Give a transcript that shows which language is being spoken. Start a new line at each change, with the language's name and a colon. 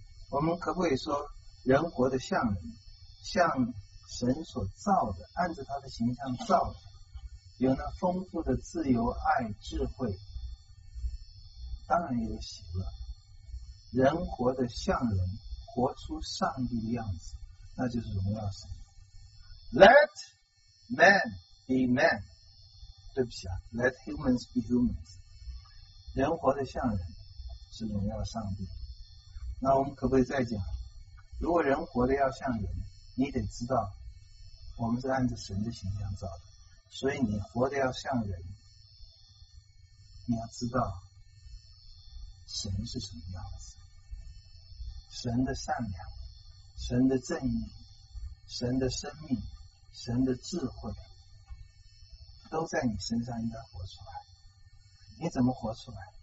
Chinese: 我们可不可以说，人活得像人，像神所造的，按着他的形象造的，有那丰富的自由、爱、智慧，当然有喜乐。人活得像人，活出上帝的样子，那就是荣耀神。
English: Let man be man，
Chinese: 对不起啊
English: ，Let humans be humans。
Chinese: 人活得像人，是荣耀上帝。那我们可不可以再讲？如果人活得要像人，你得知道，我们是按着神的形象造的，所以你活得要像人，你要知道神是什么样子，神的善良，神的正义，神的生命，神的智慧，都在你身上应该活出来。你怎么活出来？